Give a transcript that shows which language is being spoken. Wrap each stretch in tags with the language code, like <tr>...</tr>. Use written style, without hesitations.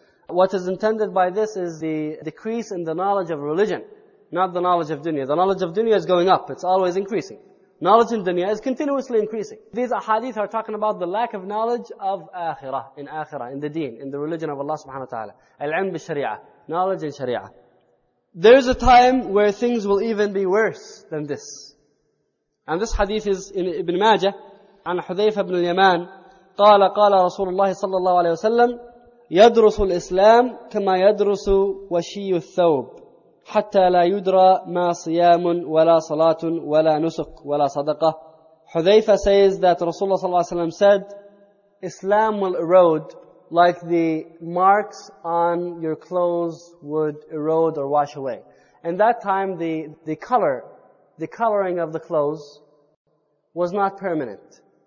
<en>What is intended by this is the decrease in the knowledge of religion, not the knowledge of dunya. The knowledge of dunya is going up, it's always increasing. Knowledge in dunya is continuously increasing. These ahadith are talking about the lack of knowledge of akhirah, in the deen, in the religion of Allah subhanahu wa ta'ala. Al-ilm bi-shari'ah, knowledge in sharia. There is a time where things will even be worse than this. And this hadith is in Ibn Majah,</en> <ar>عن حذيفة بن اليمان, قال, قال رسول الله صلى الله عليه وسلم, يدرس الإسلام كما يدرس وشي الثوب, حتى لا يدرى ما صيام ولا صلاة ولا نسك ولا صدقة.</ar> <en>Hudhayfah says that Rasulullah صلى الله عليه وسلم said, Islam will erode like the marks on your clothes would erode or wash away. And that time, the coloring of the clothes was not permanent.</en>